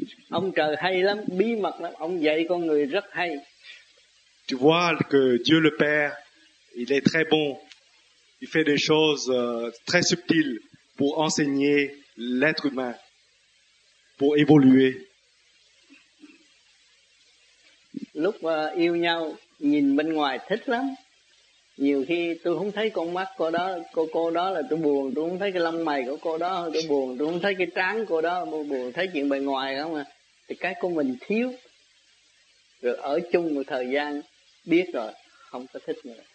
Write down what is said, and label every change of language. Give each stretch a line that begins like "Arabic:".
Vietnamese: Ông trời hay lắm, bí mật lắm, ông dạy con người rất hay.
French: Tu vois que Dieu le Père, il est très bon. Il fait des choses très subtiles pour enseigner l'être humain, pour évoluer.
Vietnamese: Lúc yêu nhau, nhìn bên ngoài thích lắm. Nhiều khi tôi không thấy con mắt cô đó, cô đó là tôi buồn, tôi không thấy cái lông mày của cô đó, tôi buồn, tôi không thấy cái trán cô đó, tôi buồn, thấy chuyện bề ngoài không à. Thì cái của mình thiếu, rồi ở chung một thời gian, biết rồi, không có thích nữa.